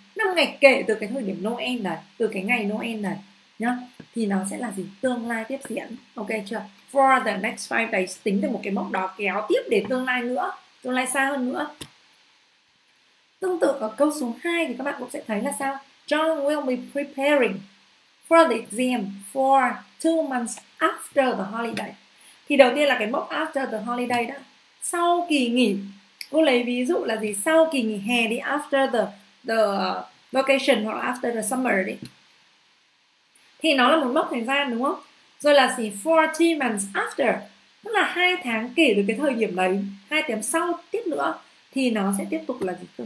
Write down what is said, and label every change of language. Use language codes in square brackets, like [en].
[vi] 5 ngày kể từ cái thời điểm Noel này, từ cái ngày Noel này nhá. Thì nó sẽ là gì? Tương lai tiếp diễn. Ok chưa? [en] For the next 5 days, [vi] tính từ một cái mốc đó kéo tiếp đến tương lai nữa, tương lai xa hơn nữa. Tương tự ở câu số 2 thì các bạn cũng sẽ thấy là sao? [en] John will be preparing for the exam for 2 months after the holiday. [vi] Thì đầu tiên là cái mốc [en] after the holiday [vi] đó, sau kỳ nghỉ. Cô lấy ví dụ là gì? Sau kỳ nghỉ hè đi, [en] after the vacation [vi] hoặc [en] after the summer [vi] đi. Thì nó là một mốc thời gian đúng không? Rồi là gì? 40 months after, tức là 2 tháng kể từ cái thời điểm đấy, 2 tháng sau tiếp nữa thì nó sẽ tiếp tục là gì?